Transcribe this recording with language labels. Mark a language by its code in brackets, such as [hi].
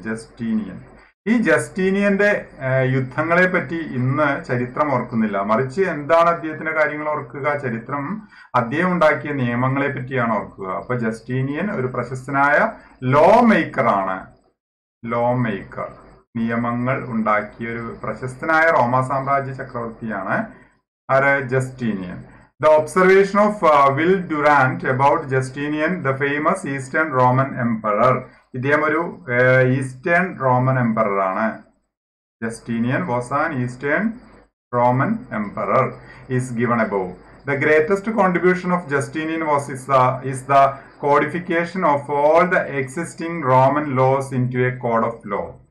[ml] Justinian, ഈ ജസ്റ്റീനിയന്റെ യുദ്ധങ്ങളെ പറ്റി ഇന്ന് ചരിത്രം ഓർക്കുന്നില്ല, മറിച്ച് എന്താണ് അദ്ദേഹത്തിന്റെ കാര്യങ്ങൾ ഓർക്കുക? ചരിത്രം അദ്ദേഹം ഉണ്ടാക്കിയ നിയമങ്ങളെ പറ്റിയാണ് ഓർക്കുക. അപ്പൊ ജസ്റ്റീനിയൻ ഒരു പ്രശസ്തനായ ലോ മേക്കർ ആണ്. ലോ മേക്കർ, നിയമങ്ങൾ ഉണ്ടാക്കിയ ഒരു പ്രശസ്തനായ റോമ സാമ്രാജ്യ ചക്രവർത്തിയാണ് ആര്? Justinian. [en] The observation of Will Durant about Justinian, the famous Eastern Roman Emperor. [ml] ഇദ്ദേഹം ഒരു ഈസ്റ്റേൺ റോമൻ എംപറർ ആണ്. [en] Justinian was an eastern Roman emperor. Is given above the greatest contribution of Justinian was is the codification of all the existing Roman laws into a code of law.